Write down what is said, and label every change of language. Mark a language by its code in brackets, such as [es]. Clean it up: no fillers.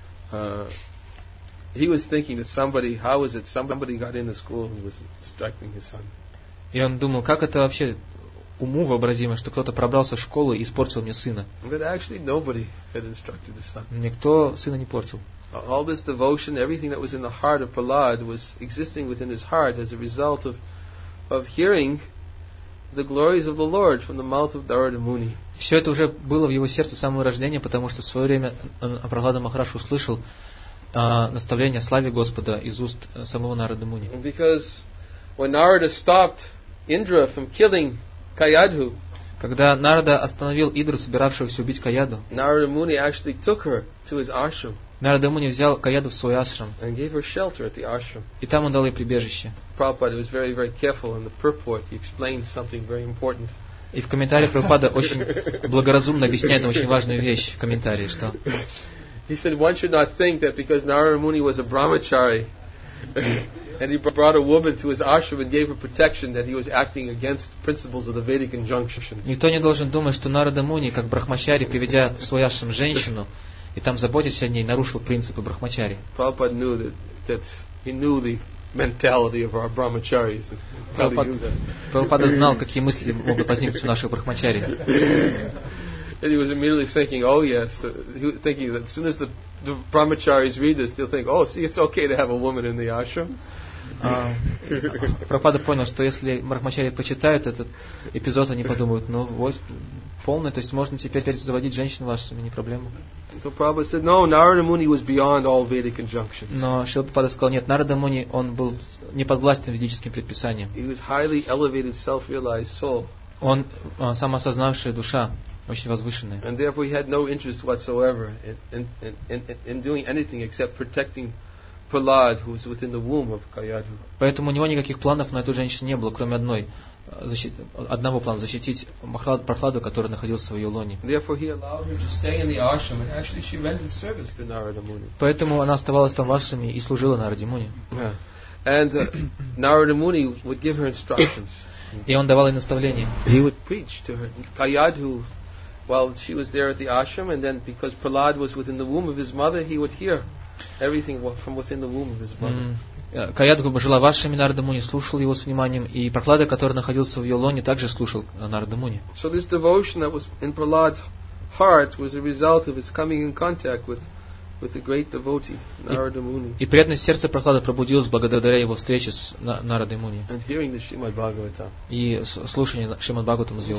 [en] So he was thinking that somebody, how is it somebody got in the school who was instructing his son? [ru] И он думал, как это вообще уму вообразимо, что кто-то пробрался в школу и испортил мне сына. [en] But actually nobody had instructed the son. [ru] Никто сына не портил. [en] All this devotion, everything that was in the heart of Prahlad was existing within his heart as a result of hearing the glories of the Lord from the mouth of Narada Muni. [ru] Все это уже было в его сердце с самого рождения, потому что в свое время Прахлада Махараш услышал наставление о славе Господа из уст самого Нарада Муни. [en] Because when Narada stopped Indra from killing Kayadhu, [ru] когда Нарада остановил Индру, собиравшегося убить Каяду, [en] Narada Muni actually took her to his ashram. [ru] Нарада Муни взял Каяду в свой ашрам. [en] And gave her shelter at the ashram. [ru] И там он дал ей прибежище. [en] Prabhupada was very, very careful in the purport. He explained something very important. [ru] И в комментарии Прабхупада очень благоразумно объясняет нам очень важную вещь в комментарии, что. [en] He said one should not think that because Narada Muni was a brahmachari and he brought a woman to his ashram and gave her protection that he was acting against the principles of the Vedic injunctions. [ru] Никто не должен думать, что Нарада Муни, как брахмачари, приведя в свой ашрам женщину. И там заботясь о ней, нарушил принципы брахмачари. [en] Prabhupada knew that he knew the mentality of our brahmacharis. [ru] Prabhupada знал, какие мысли могут возникнуть у наших брахмачари. [en] And he was immediately thinking, oh yes, he was thinking that as soon as the the brahmacharis read this, they'll think, oh, see, it's okay to have a woman in the ashram. [ru] Прабхупада понял, что если брахмачари почитают этот эпизод, они подумают, ну вот, полный, то есть можно теперь заводить женщин в ашраме, не проблема. [en] So Prabhupada said, no, Narada Muni was beyond all Vedic injunctions. [ru] Но Шрила Прабхупада сказал, нет, Нарада Муни, он был не подвластен ведическим предписаниям. [en] He was highly elevated, self-realized soul. [ru] Он самосознавшая душа, очень возвышенная. [en] And therefore he had no interest whatsoever in doing anything except protecting Prahlad, who was within the womb of Kayadhu. [ru] Поэтому у него никаких планов на эту женщину не было, кроме одной, одного плана, защитить Прахладу, который находился в ее лоне. [en] Therefore, he allowed her to stay in the ashram, and actually she rendered service to Narada Muni. [ru] Поэтому она оставалась там в ашраме и служила Нараде Муни. [en] Yeah. And Narada Muni would give her instructions. [ru] И он давал ей наставления. [en] He would preach to her. Kayadhu, while she was there at the ashram, and then because Prahlad was within the womb of his mother, he would hear everything from within the womb of his mother. [ru] Каядху жила в ашраме, Нарада Муни слушал его с вниманием, и Прахлада, который находился в ее лоне, также слушал Нарада Муни. [en] So this devotion that was in Prahlad's heart was a result of his coming in contact with the great devotee Narada Muni. [ru] И преданность сердца Прахлада пробудилась благодаря его встрече с Нарадой Муни. [en] And hearing the Shrimad Bhagavatam. [ru] И слушание Шримад Бхагаватам из его